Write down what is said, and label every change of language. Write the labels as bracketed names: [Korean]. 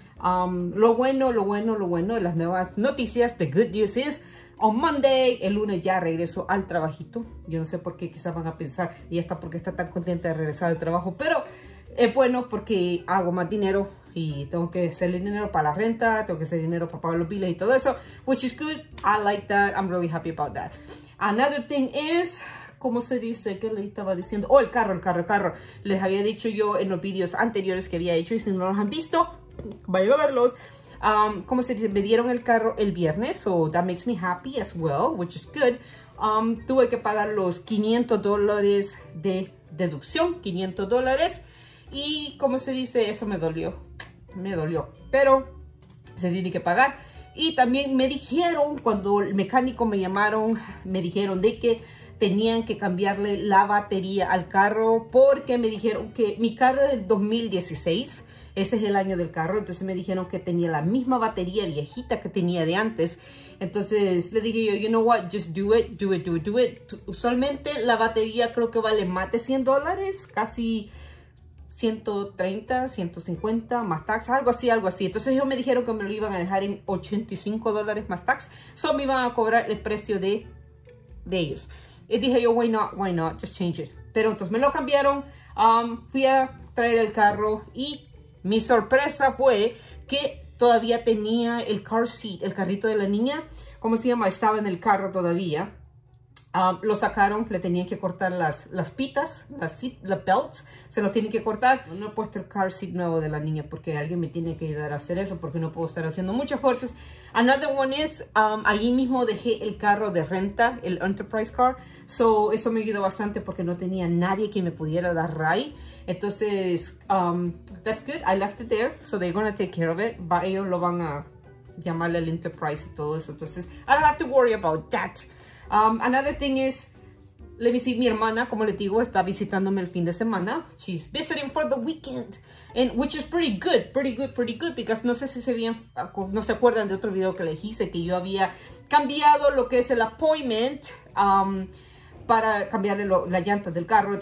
[Spanish] Lo bueno de las nuevas noticias, [English] the good news is, on Monday, [Spanish] el lunes ya regreso al trabajito. Yo no sé por qué quizás van a pensar y está porque está tan contenta de regresar al trabajo, pero es bueno porque hago más dinero. Y tengo que hacer dinero para la renta, tengo que hacer dinero para pagar los billetes y todo eso. [English] Which is good, I like that, I'm really happy about that. Another thing is, [Spanish] ¿cómo se dice? ¿Qué le estaba diciendo? Oh, el carro. Les había dicho yo en los videos anteriores que había hecho y si no los han visto, vayan a verlos. ¿Cómo se dice? Me dieron el carro el viernes, [English] so that makes me happy as well, which is good. [Spanish] Tuve que pagar los $500 de deducción, $500. Y ¿cómo se dice? Eso me dolió. Me dolió, pero se tiene que pagar. Y también me dijeron, cuando el mecánico me llamaron, me dijeron de que tenían que cambiarle la batería al carro porque me dijeron que mi carro es del 2016, ese es el año del carro, entonces me dijeron que tenía la misma batería viejita que tenía de antes. Entonces le dije yo, [English] you know what, just do it. [Spanish] Usualmente la batería creo que vale más de $100, casi 130, 150 más tax, algo así. Entonces ellos me dijeron que me lo iban a dejar en $85 más tax. So me iban a cobrar el precio de ellos. Y dije yo, [English] why not, just change it. [Spanish] Pero entonces me lo cambiaron. Fui a traer el carro y mi sorpresa fue que todavía tenía el car seat, el carrito de la niña. ¿Cómo se llama? Estaba en el carro todavía. Lo sacaron, le tenían que cortar las pitas, las belts, se los tienen que cortar. No he puesto el car seat nuevo de la niña porque alguien me tiene que ayudar a hacer eso porque no puedo estar haciendo muchas fuerzas. [English] Another one is, [Spanish] allí mismo dejé el carro de renta, el Enterprise car. So, eso me ayudó bastante porque no tenía nadie que me pudiera dar ride. [English] Entonces, that's good, I left it there, so they're gonna take care of it. [Spanish] But ellos lo van a llamarle al Enterprise y todo eso. [English] Entonces, I don't have to worry about that. Another thing is, [Spanish] le visité mi hermana, como le digo, está visitándome el fin de semana. [English] She's visiting for the weekend, and which is pretty good, because [Spanish] no sé si se bien, no se acuerdan de otro video que le hice que yo había cambiado lo que es el appointment para cambiarle la llanta del carro.